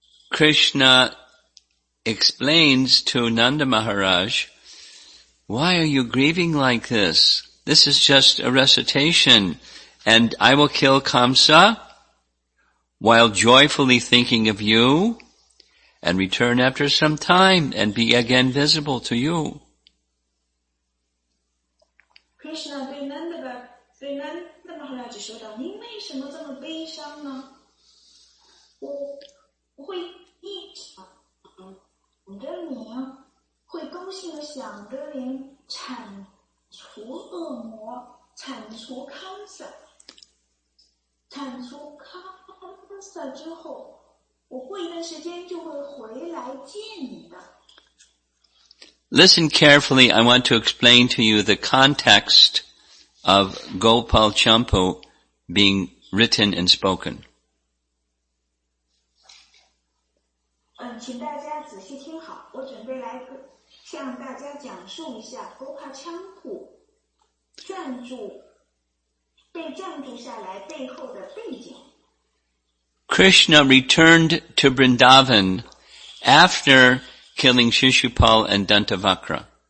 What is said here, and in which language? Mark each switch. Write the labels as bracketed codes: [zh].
[en] Krishna explains to Nanda Maharaj, why are you grieving like this? This is just a recitation, and I will kill Kamsa while joyfully thinking of you and return after some time and be again visible to you. [zh] Krishna 对南的马哈拉吉说道：“您为什么这么悲伤呢？我会一直等着你，会高兴的想着您铲除恶魔，铲除康萨，铲除康萨之后，我过一段时间就会回来见你的。” [en] Listen carefully. I want to explain to you the context of Gopal Champu being written and spoken. Krishna returned to Vrindavan after killing Shishupal and Dantavakra.